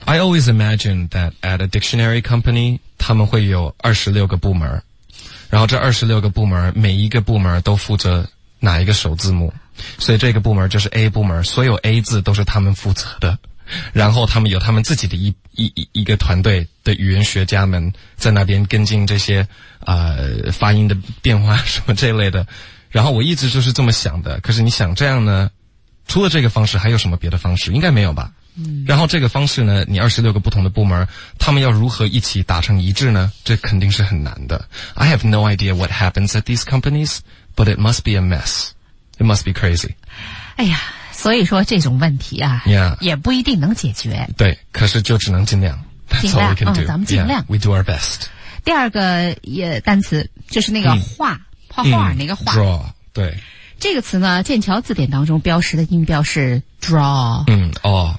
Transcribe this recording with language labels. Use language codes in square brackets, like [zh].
[en] I always imagine that at a dictionary company [zh] 他们会有26个部门，然后这26个部门每一个部门都负责哪一个首字母，所以这个部门就是 A 部门，所有 A 字都是他们负责的，然后他们有他们自己的一个团队的语言学家们在那边跟进这些发音的变化什么这类的。然后我一直就是这么想的，可是你想这样呢，除了这个方式还有什么别的方式？应该没有吧。然后这个方式呢，你26个不同的部门他们要如何一起达成一致呢？这肯定是很难的。 [en] I have no idea what happens at these companies, but it must be a mess, it must be crazy。 [zh] 哎呀，所以说这种问题啊， yeah，也不一定能解决。对，可是就只能尽量。尽量，咱们尽量。 [en] Yeah, we do our best。 [zh] 第二个单词就是那个画，画画那个画。 [en] Draw， 对。 [zh] 这个词呢，剑桥字典当中标识的音标是 draw。